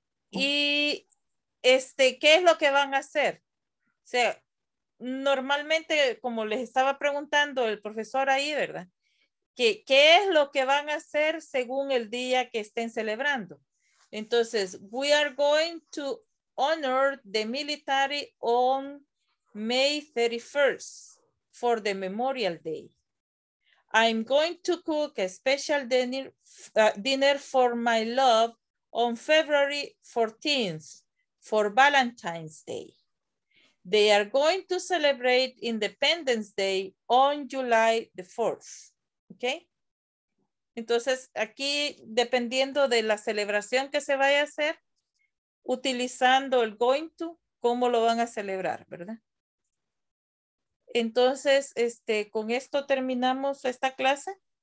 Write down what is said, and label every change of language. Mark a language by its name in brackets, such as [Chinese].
[Spanish] Y ¿qué es lo que van a hacer? O sea, normalmente, como les estaba preguntando el profesor ahí, ¿verdad? ¿Qué es lo que van a hacer según el día que estén celebrando? Entonces, [English] we are going to honor the military on May 31st for the Memorial Day. I'm going to cook a special dinner for my love on February 14th for Valentine's Day. They are going to celebrate Independence Day on July the 4th. Okay? [Spanish] Entonces, aquí, dependiendo de la celebración que se vaya a hacer, utilizando el going to, ¿cómo lo van a celebrar, verdad? Entonces, con esto terminamos esta clase.